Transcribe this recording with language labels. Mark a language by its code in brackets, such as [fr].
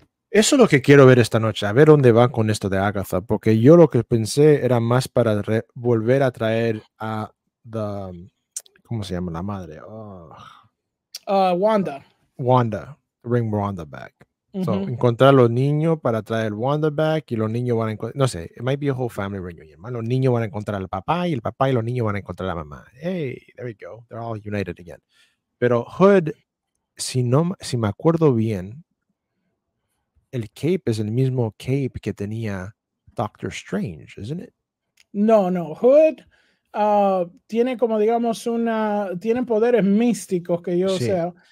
[es] Eso es lo que quiero ver esta noche, a ver dónde van con esto de Agatha, porque yo lo que pensé era más para volver a traer a the, ¿cómo se llama la madre? [en] Wanda. Wanda, bring Wanda back. [es] Mm-hmm. So, encontrar a los niños para traer Wanda back y los niños van a encontrar, no sé, [en] it might be a whole family reunion, man. [es] Los niños van a encontrar al papá y el papá y los niños van a encontrar a la mamá. [en] Hey, there we go, they're all united again. [es] Pero Hood, si me acuerdo bien, el cape es el mismo cape que tenía Doctor Strange, [en] isn't it? [es] No. Hood tiene como, digamos, una... Tiene poderes místicos, que yo sí. sea.